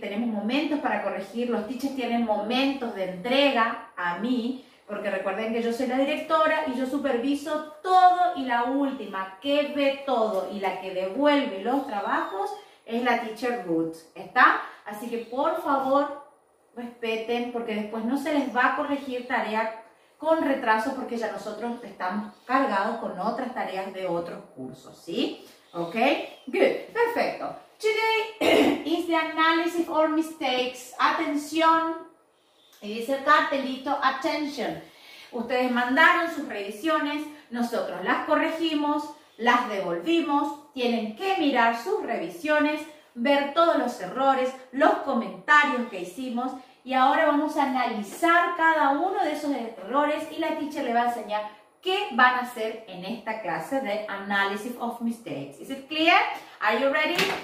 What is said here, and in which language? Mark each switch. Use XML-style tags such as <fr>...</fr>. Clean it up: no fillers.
<es>Tenemos momentos para corregir, los teachers tienen momentos de entrega a mí, porque recuerden que yo soy la directora y yo superviso todo, y la última que ve todo y la que devuelve los trabajos es la teacher Ruth, ¿está? Así que por favor, respeten, porque después no se les va a corregir tarea con retraso, porque ya nosotros estamos cargados con otras tareas de otros cursos, ¿sí?</es> <en>¿Ok? Good, perfecto. Today is the analysis or mistakes.</en> <es>Atención, y dice el cartelito, attention. Ustedes mandaron sus revisiones, nosotros las corregimos, las devolvimos, tienen que mirar sus revisiones, ver todos los errores, los comentarios que hicimos, y ahora vamos a analizar cada uno de esos errores y la teacher le va a enseñar qué van a hacer en esta clase de Analysis of Mistakes.</es> <en>Is it clear? Are you ready?</en>